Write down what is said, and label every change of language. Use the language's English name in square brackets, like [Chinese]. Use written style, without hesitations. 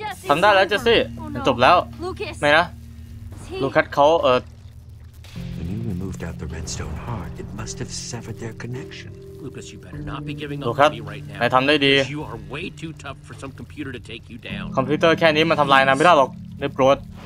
[Thai] ทำได้แล้วเจสซี่จบแล้วไม่นะลูคัสเขา [English] When you removed out the redstone heart, it must have severed their connection. Lucas, you better not be giving up on me right now. [Thai] ทำได้ดี [English] You are way too tough for some computer to take you down. [Thai] คอมพิวเตอร์แค่นี้มันทำลายนายไม่ได้หรอกนายโปรด